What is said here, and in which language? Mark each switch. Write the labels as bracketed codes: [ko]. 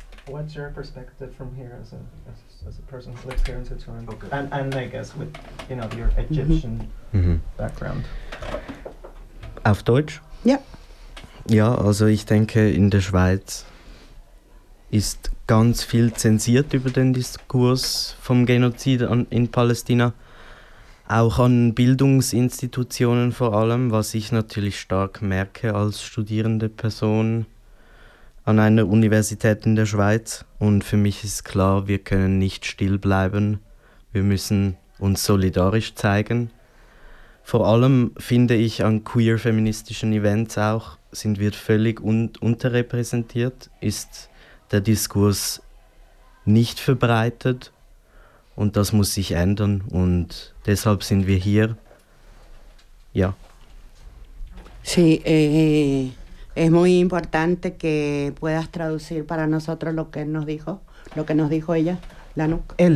[en] What's your perspective from here as a person who lives here in Switzerland? Okay. And I guess with, you know, your Egyptian background. [de] Auf Deutsch? Ja. Ja, also ich denke, in der Schweiz ist ganz viel zensiert über den Diskurs vom Genozid in Palästina. Auch an Bildungsinstitutionen vor allem, was ich natürlich stark merke als studierende Person an einer Universität in der Schweiz. Und für mich ist klar, wir können nicht still bleiben. Wir müssen uns solidarisch zeigen. Vor allem finde ich an queer-feministischen Events auch, sind wir völlig unterrepräsentiert, ist der Diskurs nicht verbreitet. Und das muss sich ändern. Und deshalb sind wir hier. Ja. [es] Sí, es muy importante que puedas traducir para nosotros lo que nos dijo ella, la Anouk.